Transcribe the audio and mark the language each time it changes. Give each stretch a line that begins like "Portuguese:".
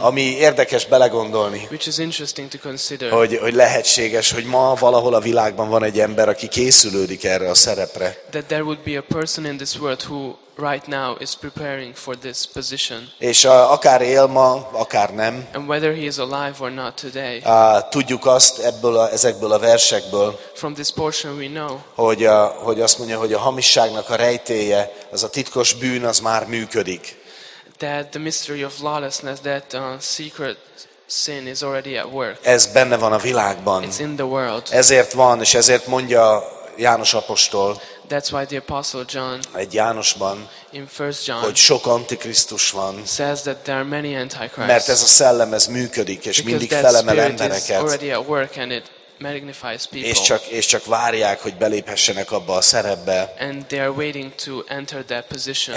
Hungarian: ami érdekes belegondolni,
English: which is interesting to consider,
Hungarian: hogy lehetséges, hogy ma valahol a világban van egy ember, aki készülődik erre a szerepre.
English: That there would be a person in this world who right now is preparing for this position.
Hungarian: És akár él ma, akár nem.
English: And whether he is alive or not today.
Hungarian: Tudjuk azt ezekből a versekből.
English: From this portion we know.
Hungarian: Hogy azt mondja, hogy a hamisságnak a rejtélye, az a titkos bűn, az már működik.
English: That the mystery of lawlessness, that secret sin is already at work.
Hungarian: Ez benne van a világban.
English: It's in the world.
Hungarian: Ezért van, és ezért mondja János apostol.
English: That's why the apostle John
Hungarian: egy Jánosban,
English: in 1 John,
Hungarian: hogy sok antikrisztus van,
English: says that there are many antichrists.
Hungarian: Mert ez a szellem ez működik és mindig felemel embereket.
English: Already at work and it magnifies people.
Hungarian: És csak várják, hogy beléphessenek abba a szerepbe.
English: And they are waiting to enter that position.